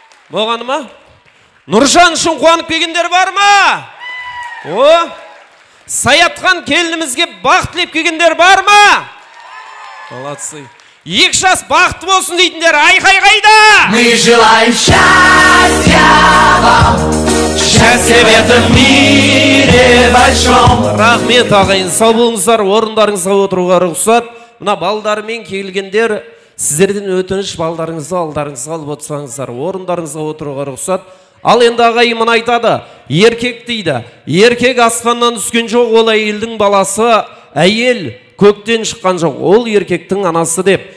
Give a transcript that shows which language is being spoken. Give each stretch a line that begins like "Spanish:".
Kazakh: Болғаны ма? Нұржан үшін қуанып келгендер бар ма? О! Саятхан келінімізге бақ тілеп келгендер бар ма?
Russian: Молодцы.
Kazakh: Их шас бақыт болсын дейтіндер айқай қайда?
Russian: Мы желаем счастья вам, счастья в этом мире большом.
Kazakh: Рахмет ағайын, сау болыңыздар, орындарыңызға отыруға рұқсат. Мына балдармен келгендер, сіздерден өтініш балдарыңызды алдарыңызға алып отырсаңыздар, орындарыңызға отыруға рұқсат. Ал енді ағайын мына айтады, еркек дейді, еркек аспаннан түскен жоқ, ол әйелдің баласы, әйел көктен шыққан жоқ, ол еркектің анасы деп.